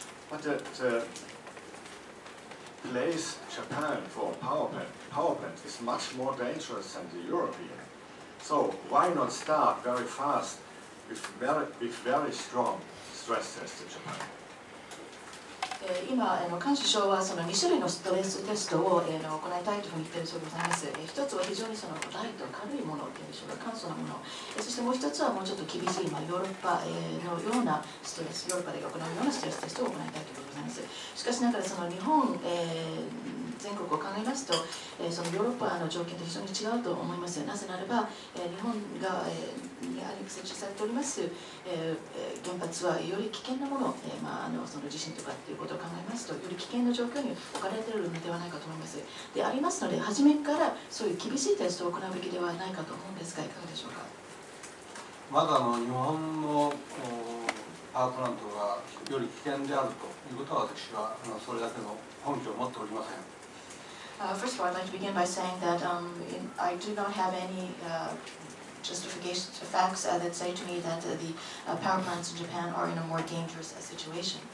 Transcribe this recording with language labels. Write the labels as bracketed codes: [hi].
[en] But the place Japan for a power plant is much more dangerous than the European. So why not start very fast with very strong stress tests in Japan? [ja] 今、幹事長はその2種類のストレステストを行いたいというふうに言っているそうでございます。 1つは非常にそのライト、軽いものというんでしょうか、簡素なもの。そしてもう1つはもうちょっと厳しい、ヨーロッパのようなストレス、ヨーロッパで行うようなストレステストを行いたいということでございます。しかしながら、その日本、全国を考えますと、そのヨーロッパの条件と非常に違うと思います。なぜならば、日本が、に設置されております、原発はより危険なもの、その地震とかっていうことを考えますと、より危険な状況に置かれているのではないかと思います。でありますので、初めからそういう厳しいテストを行うべきではないかと思うんですが、いかがでしょうか。まだ日本のパワープラントがより危険であるということは、私はそれだけの根拠を持っておりません。 [en] First of all, I'd like to begin by saying that I do not have any justification facts that say to me that the power plants in Japan are in a more dangerous situation.